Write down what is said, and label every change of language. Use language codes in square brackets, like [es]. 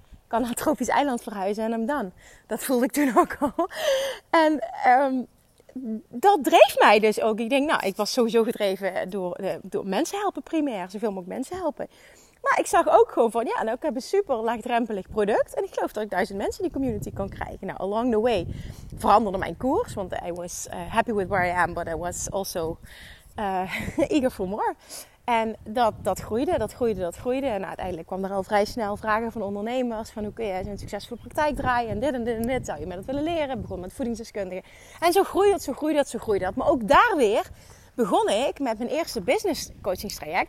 [nl] Ik kan naar het tropisch eiland verhuizen en [en] I'm done. [nl] Dat voelde ik toen ook al. En dat dreef mij dus ook. Ik denk, nou, ik was sowieso gedreven door mensen helpen primair. Zoveel mogelijk mensen helpen. Maar ik zag ook gewoon van, ja, nou, ik heb een super laagdrempelig product. En ik geloof dat ik 1000 mensen in die community kan krijgen. Nou, [en] along the way [nl] veranderde mijn koers. Want [en] I was happy with where I am, but I was also eager for more. [nl] En dat groeide. En uiteindelijk kwam er al vrij snel vragen van ondernemers. Van hoe kun jij zo'n succesvolle praktijk draaien? En dit en dit en dit. Zou je met dat willen leren? Begon met voedingsdeskundigen. En zo groeide dat. Maar ook daar weer begon ik met mijn eerste business coachingstraject.